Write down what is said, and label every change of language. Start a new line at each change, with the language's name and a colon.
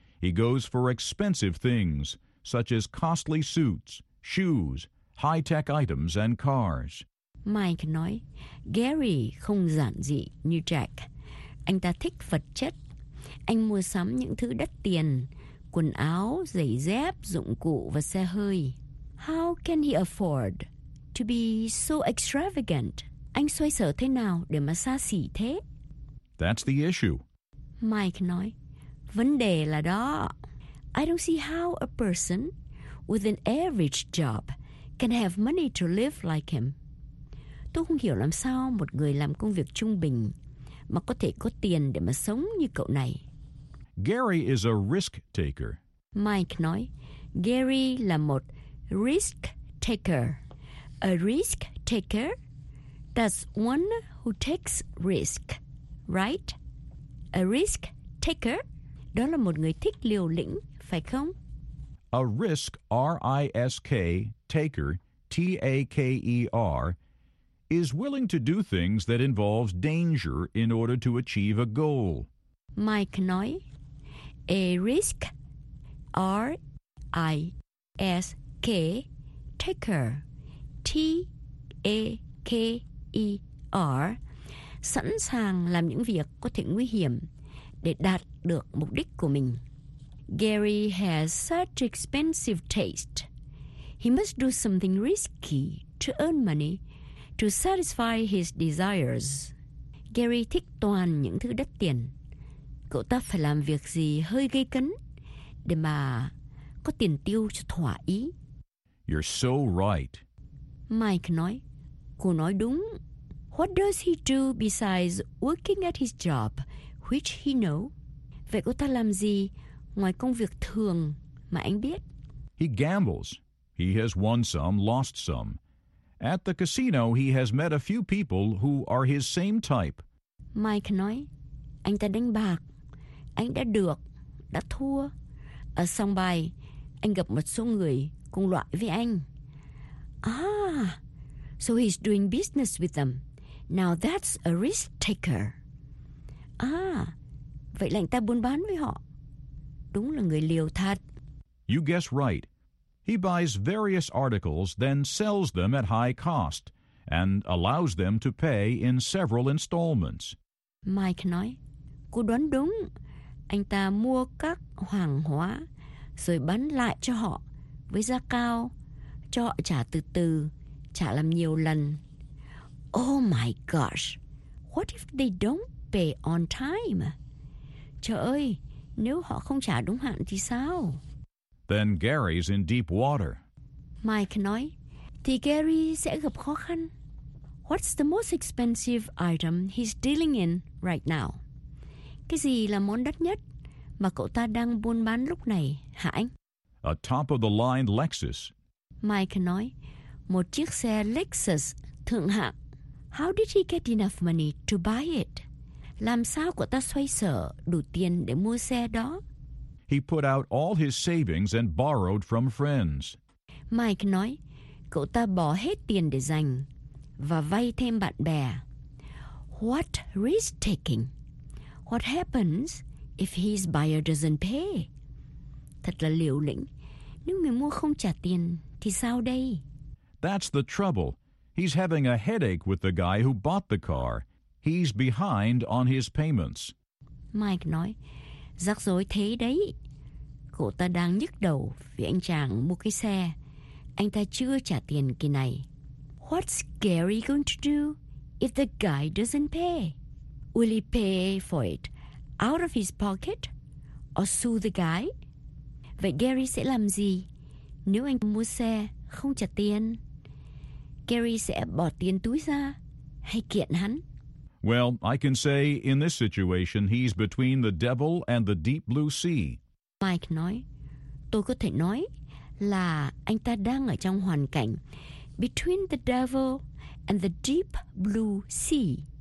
English: He goes for expensive things, such as costly suits, shoes, high-tech items, and cars.
Vietnamese: Mike nói, Gary không giản dị như Jack. Anh ta thích vật chất. Anh mua sắm những thứ đắt tiền, quần áo, giày dép, dụng cụ và xe hơi.
English: How can he afford to be so extravagant?
Vietnamese: Anh xoay sở thế nào để mà xa xỉ thế?
English: That's the issue.
Vietnamese: Mike nói, vấn đề là đó.
English: I don't see how a person with an average job can have money to live like him.
Vietnamese: Tôi không hiểu làm sao một người làm công việc trung bình mà có thể có tiền để mà sống như cậu này.
English: Gary is a risk taker.
Vietnamese: Mike nói, Gary là một
English: risk taker. A risk taker, that's one who takes risk, right? A risk taker,
Vietnamese: đó là một người thích liều lĩnh, phải không?
English: A risk, R-I-S-K, taker, T-A-K-E-R, is willing to do things that involves danger in order to achieve a goal.
Vietnamese: Mike nói,
English: a risk, R-I-S-K, taker, T-A-K-E-R,
Vietnamese: sẵn sàng làm những việc có thể nguy hiểm để đạt được mục đích của mình.
English: Gary has such expensive taste. He must do something risky to earn money to satisfy his desires.
Vietnamese: Gary thích toàn những thứ đắt tiền. Cậu ta phải làm việc gì hơi gây cấn để mà có tiền tiêu cho thỏa ý.
English: You're so right.
Vietnamese: Mike nói, cô nói đúng.
English: What does he do besides working at his job, which he knows?
Vietnamese: Vậy cậu ta làm gì ngoài công việc thường mà anh biết?
English: He gambles. He has won some, lost some. At the casino, he has met a few people who are his same type.
Vietnamese: Mike nói, anh ta đánh bạc. Anh đã được, đã thua. Ở sòng bài, anh gặp một số người cùng loại với anh.
English: Ah, so he's doing business with them. Now that's a risk taker.
Vietnamese: Ah, vậy là anh ta buôn bán với họ. Đúng là người liều thật.
English: You guess right. He buys various articles, then sells them at high cost, and allows them to pay in several installments.
Vietnamese: Mike nói, cô đoán đúng. Anh ta mua các hàng hóa, rồi bán lại cho họ với giá cao, cho họ trả từ từ, trả làm nhiều lần.
English: Oh my gosh, what if they don't pay on time?
Vietnamese: Trời ơi, nếu họ không trả đúng hạn thì sao?
English: Then Gary's in deep water.
Vietnamese: Mike nói, thì Gary sẽ gặp khó khăn.
English: What's the most expensive item he's dealing in right now?
Vietnamese: Cái gì là món đắt nhất mà cậu ta đang buôn bán lúc này, hả anh?
English: A top-of-the-line Lexus.
Vietnamese: Mike nói, một chiếc xe Lexus thượng hạng.
English: How did he get enough money to buy it?
Vietnamese: Làm sao cậu ta xoay sở đủ tiền để mua xe đó?
English: He put out all his savings and borrowed from friends.
Vietnamese: Mike nói, cậu ta bỏ hết tiền để dành và vay thêm bạn bè.
English: What risk taking? What happens if his buyer doesn't pay?
Vietnamese: Thật là liều lĩnh. Nếu người mua không trả tiền, thì sao đây?
English: That's the trouble. He's having a headache with the guy who bought the car. He's behind on his payments.
Vietnamese: Mike nói, rắc rối thế đấy. Cậu ta đang nhức đầu vì anh chàng mua cái xe. Anh ta chưa trả tiền kỳ này.
English: What's Gary going to do if the guy doesn't pay? Will he pay for it out of his pocket or sue the guy?
Vietnamese: Vậy Gary sẽ làm gì nếu anh mua xe không trả tiền? Gary sẽ bỏ tiền túi ra hay kiện hắn?
English: Well, I can say in this situation he's between the devil and the deep blue sea.
Vietnamese: Mike nói, tôi có thể nói là anh ta đang ở trong hoàn cảnh
English: between the devil and the deep blue sea.